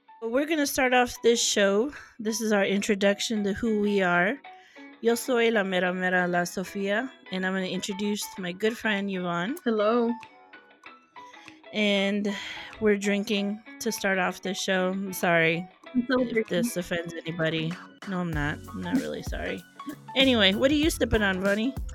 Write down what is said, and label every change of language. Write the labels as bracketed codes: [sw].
[en] We're going to start off this show. This is our introduction to who we are. [es] Yo soy la mera mera, la Sofía. [en] And I'm going to introduce my good friend, Yvonne. Hello. And we're drinking to start off this show. I'm sorry if this offends anybody. No, I'm not. I'm not really sorry. Anyway, what are you sipping on, Vonnie?